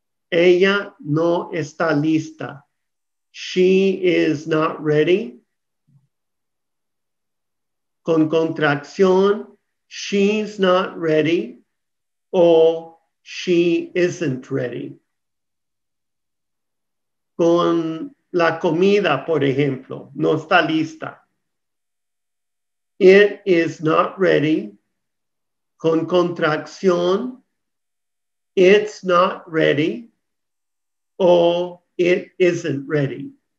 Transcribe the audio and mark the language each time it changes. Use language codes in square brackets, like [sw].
[es] Ella no está lista. [en] She is not ready. [es] Con contracción, [en] she's not ready, o she isn't ready. [es] Con la comida, por ejemplo, no está lista. [en] It is not ready. [es] Con contracción, [en] it's not ready, o it isn't ready.